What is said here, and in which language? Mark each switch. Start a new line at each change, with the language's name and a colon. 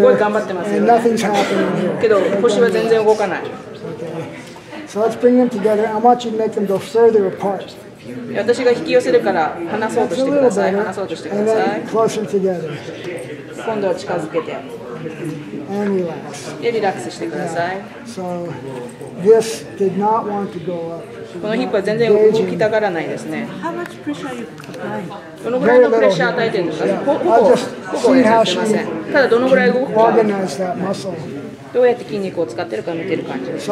Japanese: すごい頑張ってますよね。
English: And nothing's happening here.
Japanese: けど腰は全然動かない。
English: Okay. So let's bring them together. I want you to make them go further apart.
Japanese: 私が引き寄せるから離そうとしてください。離そうとしてください。
English: And then closer together.
Japanese: 今度は近づけて。
English: And relax.
Japanese: でリラックスしてください。
English: So this did not want to go up.
Japanese: このヒップは全然動きたがらないですね。どのぐらいのプレッシャー与えてるんですか？ほぼやってません。ただどのぐらい動くか、どうやって筋肉を使ってるか見てる感じ